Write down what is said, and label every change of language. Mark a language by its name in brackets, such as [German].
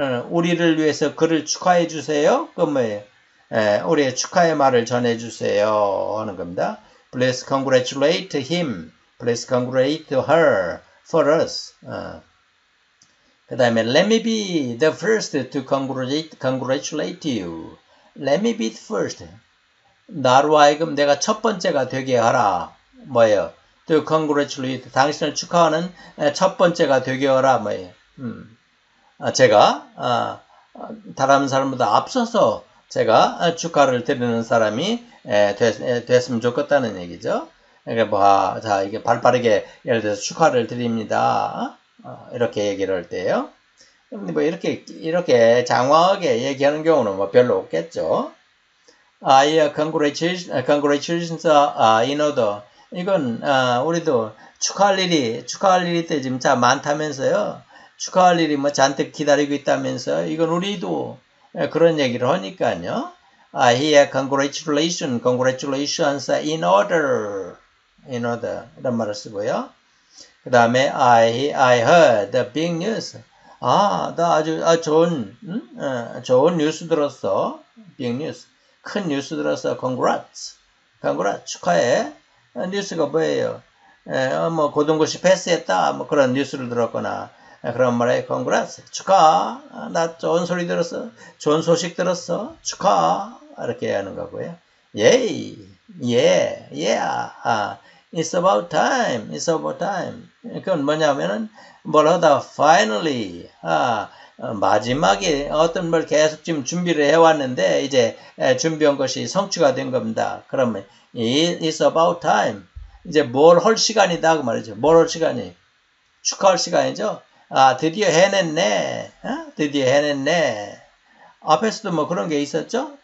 [Korean] 우리를 위해서 그를 축하해주세요. 그 뭐예요? 우리의 축하의 말을 전해주세요. 하는 겁니다. [English] Please congratulate him, please congratulate her for us. [Korean] 그 다음에 [English] Let me be the first to congratulate you. Let me be the first. [Korean] 나로 하여금 내가 첫 번째가 되게 하라. 뭐예요? [English] To congratulate. [Korean] 당신을 축하하는 첫 번째가 되게 하라. 뭐예요? 제가, 다른 사람보다 앞서서 제가 축하를 드리는 사람이 됐으면 좋겠다는 얘기죠. 이게 뭐, 자, 이게 발 빠르게 예를 들어서 축하를 드립니다. 이렇게 얘기를 할 때요. 뭐, 이렇게 장황하게 얘기하는 경우는 뭐 별로 없겠죠. [English] Congratulations are in order. [Korean] 이건 우리도 축하할 일이 때 지금 참 많다면서요. 축하할 일이 뭐 잔뜩 기다리고 있다면서요. 이건 우리도 그런 얘기를 하니까요. [English] Here, congratulations are in order. In order. [Korean] 이런 말을 쓰고요. 그 다음에 [English] I heard the big news. [Korean] 아, 나 아주 아, 좋은 좋은 뉴스 들었어. [English] Big news. [Korean] 큰 뉴스 들어서 [English] congrats, congrats [Korean] 축하해. 뉴스가 뭐예요? 뭐 고등고시 패스했다. 뭐 그런 뉴스를 들었거나 그런 말에 [English] congrats [Korean] 축하. 나 좋은 소리 들었어. 좋은 소식 들었어. 축하. 이렇게 하는 거고요. [English] Yay, yeah, yeah. It's about time. It's about time. [Korean] 그건 뭐냐면은 뭘 하다 [English] finally. [Korean] 마지막에 어떤 걸 계속 지금 준비를 해왔는데, 이제 준비한 것이 성취가 된 겁니다. [English] 그러면, it's about time. [Korean] 이제 뭘할 시간이다. 그 말이죠. 뭘할 시간이? 축하할 시간이죠. 아, 드디어 해냈네. 어? 드디어 해냈네. 앞에서도 뭐 그런 게 있었죠?